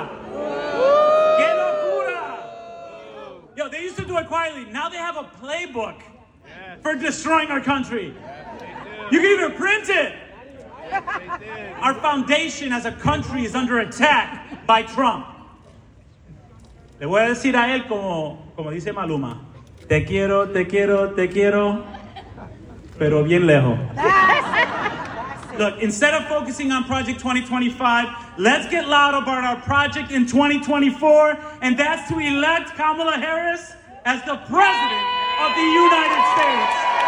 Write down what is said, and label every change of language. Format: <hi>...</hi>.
<es>¡Qué locura!</es> <en>Yo, they used to do it quietly. Now they have a playbook for destroying our country. You can even print it. Our foundation as a country is under attack by Trump.</en> <es>Le voy a decir a él como dice Maluma. Te quiero, te quiero, te quiero, pero bien lejos.</es> <en>Look, instead of focusing on Project 2025, let's get loud about our project in 2024, and that's to elect Kamala Harris as the president of the United States.</en>